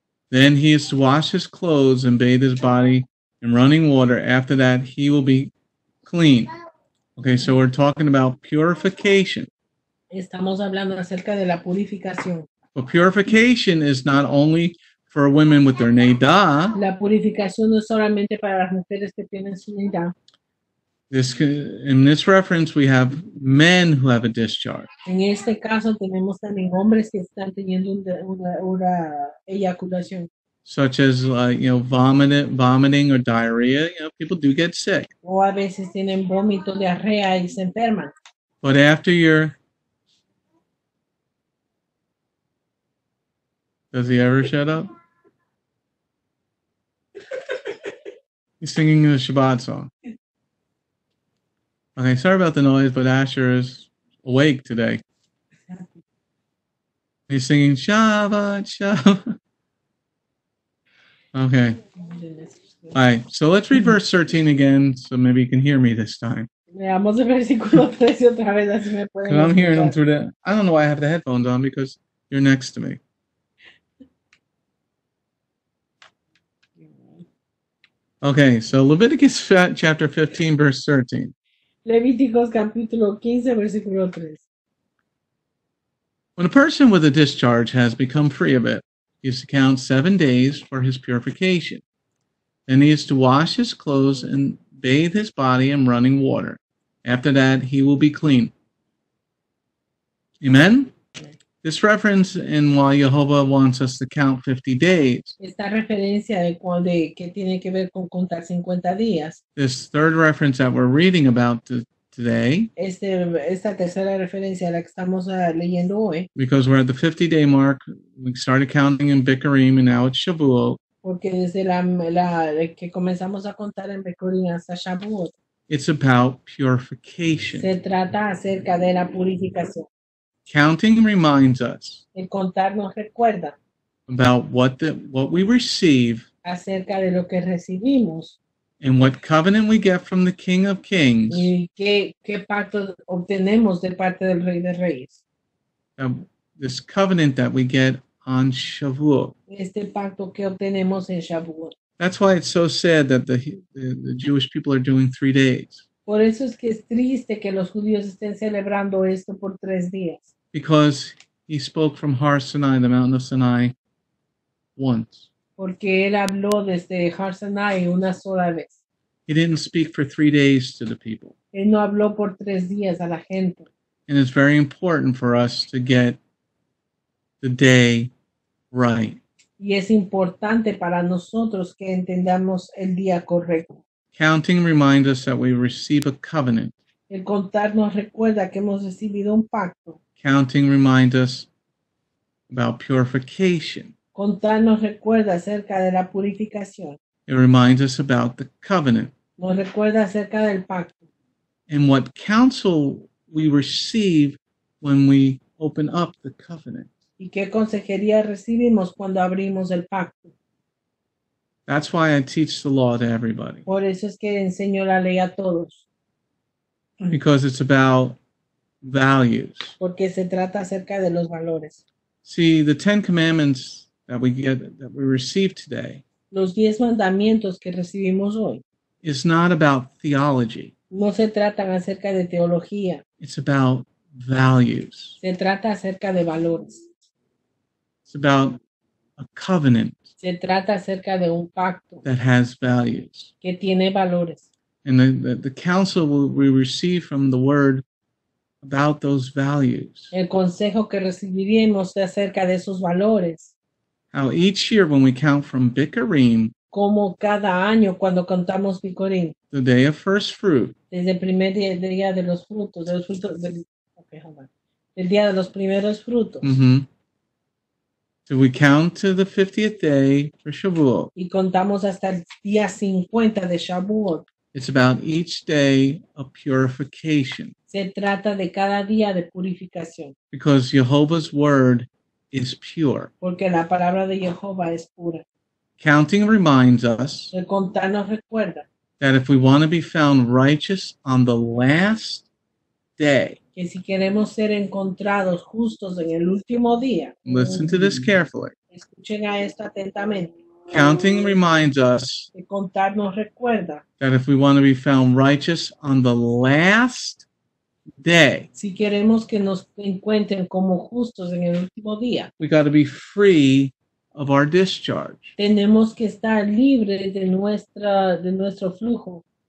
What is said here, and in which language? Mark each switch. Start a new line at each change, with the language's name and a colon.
English: Then he is to wash his clothes and bathe his body in running water. After that, he will be clean. Okay, so we're talking about purification.
Spanish: Estamos hablando acerca de la purificación.
English: But purification is not only for women with their nidah.
Spanish: La purificación no es solamente para las mujeres que tienen su nidah.
English: In this reference, we have men who have a discharge.
Spanish: En este caso, tenemos también hombres que están teniendo una eyaculación.
English: Such as, vomiting or diarrhea. You know, people do get sick.
Spanish: O a veces tienen vómito, diarrea y se enferman.
English: But after your... Does he ever shut up? He's singing the Shabbat song. Okay, sorry about the noise, but Asher is awake today. He's singing Shavuot, Shavuot. Okay. All right, so let's read verse 13 again, so maybe you can hear me this time.
Spanish: Veamos el versículo 13 otra vez, así me pueden escuchar.
English: Because I'm hearing them through the... I don't know why I have the headphones on, because you're next to me. Okay, so Leviticus chapter 15, verse 13.
Spanish: Levíticos capítulo 15, versículo 3.
English: When a person with a discharge has become free of it, he is to count 7 days for his purification. Then he is to wash his clothes and bathe his body in running water. After that, he will be clean. Amen? This reference in why Yehovah wants us to count 50 days.
Spanish: Esta referencia de que tiene que ver con contar 50 días.
English: This third reference that we're reading about today.
Spanish: Esta tercera referencia la que estamos leyendo hoy.
English: Because we're at the 50-day mark. We started counting in Bikurim and now it's Shavuot.
Spanish: Porque desde la que comenzamos a contar en Bikurim hasta Shavuot.
English: It's about purification.
Spanish: Se trata acerca de la purificación.
English: Counting reminds us
Spanish: el contar nos recuerda
English: about what we receive
Spanish: acerca de lo que recibimos
English: and what covenant we get from the King of Kings
Spanish: y qué pacto obtenemos de parte del Rey de Reyes.
English: This covenant that we get on Shavuot.
Spanish: Este pacto que obtenemos en Shavuot.
English: That's why it's so sad that the Jewish people are doing 3 days.
Spanish: Por eso es que es triste que los judíos estén celebrando esto por 3 días.
English: Because he spoke from Har Sinai, the mountain of Sinai, once.
Spanish: Porque él habló desde Har Sinai una sola vez.
English: He didn't speak for 3 days to the people.
Spanish: Él no habló por 3 días a la gente.
English: And it's very important for us to get the day right.
Spanish: Y es importante para nosotros que entendamos el día correcto.
English: Counting reminds us that we receive a covenant.
Spanish: El contar nos recuerda que hemos recibido un pacto.
English: Counting reminds us about purification.
Spanish: Contar nos recuerda acerca de la purificación.
English: It reminds us about the covenant.
Spanish: Nos recuerda acerca del pacto.
English: And what counsel we receive when we open up the covenant.
Spanish: Y qué consejería recibimos cuando abrimos el pacto.
English: That's why I teach the law to everybody.
Spanish: Por eso es que enseño la ley a todos.
English: Because it's about values.
Spanish: Porque se trata acerca de los valores.
English: See, the Ten Commandments that we receive today.
Spanish: Los diez mandamientos que recibimos hoy.
English: Is not about theology.
Spanish: No se tratan acerca de teología.
English: It's about values.
Spanish: Se trata acerca de valores.
English: It's about a covenant.
Spanish: Se trata acerca de un pacto.
English: That has values.
Spanish: Que tiene valores.
English: And the counsel we receive from the word about those values.
Spanish: El consejo que recibiremos acerca de esos valores.
English: How each year when we count from Bikurim.
Spanish: Como cada año cuando contamos Bikurim.
English: The day of first fruit.
Spanish: Desde el primer día de los frutos. De los frutos de,
English: okay, hold on.
Spanish: El día de los primeros frutos.
English: Mm-hmm. So we count to the 50th day for Shavuot.
Spanish: Y contamos hasta el día 50 de Shavuot.
English: It's about each day of purification.
Spanish: Se trata de cada día de purificación.
English: Because Jehovah's word is pure.
Spanish: Porque la palabra de Jehová es pura.
English: Counting reminds us.
Spanish: El contar nos recuerda.
English: That if we want to be found righteous on the last day.
Spanish: Que si queremos ser encontrados justos en el último día.
English: Listen to this carefully.
Spanish: Escuchen a esto atentamente.
English: Counting reminds us that if we want to be found righteous on the last day,
Spanish: si queremos que nos encuentren como justos en el último día,
English: we got to be free of our discharge.
Spanish: Tenemos que estar libre de nuestra, de nuestro flujo.